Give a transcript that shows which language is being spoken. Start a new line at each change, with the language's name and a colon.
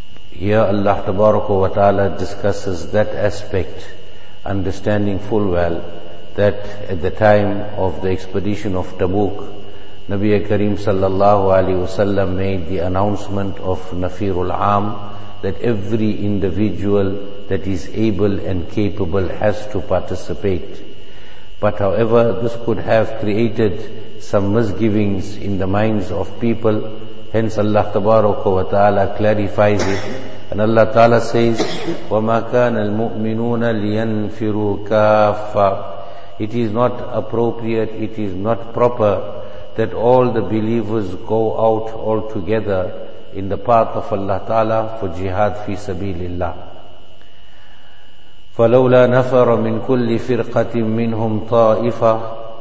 English: Here Allah tabaraka wa ta'ala discusses that aspect, understanding full well that at the time of the expedition of Tabuk, Nabi Kareem sallallahu alayhi wasallam made the announcement of Nafirul Aam, that every individual that is able and capable has to participate. But however, this could have created some misgivings in the minds of people. Hence Allah tabaraka wa ta'ala clarifies it. And Allah ta'ala says,
Arabic: وَمَا كَانَ الْمُؤْمِنُونَ لِيَنْفِرُوا كَافًا.
English: It is not appropriate, it is not proper that all the believers go out altogether in the path of Allah ta'ala for jihad fi sabilillah.
Arabic: فَلَوْلَا نَفَرَ مِنْ كُلِّ فِرْقَةٍ مِّنْهُمْ طَائِفَةٍ.